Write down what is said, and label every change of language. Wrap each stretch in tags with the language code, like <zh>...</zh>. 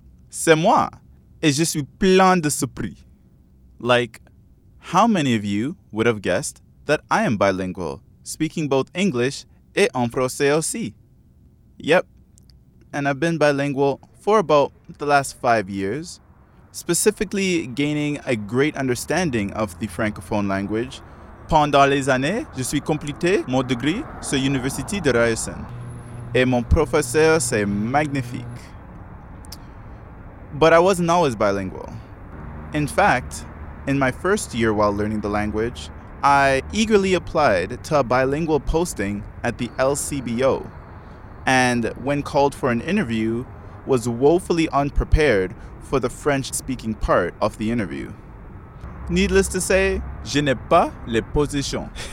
<fr>C'est moi, et je suis plein de surprises.</fr> <en>Like, how many of you would have guessed that I am bilingual, speaking both English</en> <fr>et en français aussi?</fr> <en>Yep, and I've been bilingual for about the last 5 years, specifically gaining a great understanding of the Francophone language.</en> <fr>Pendant les années, je suis complété mon degré sur l'Université de Ryerson. Et mon professeur, c'est magnifique.</fr> <en>But I wasn't always bilingual. In fact, in my first year while learning the language, I eagerly applied to a bilingual posting at the LCBO. And when called for an interview, was woefully unprepared for the French-speaking part of the interview. Needless to say,</en> <fr>je n'ai pas les positions.</fr>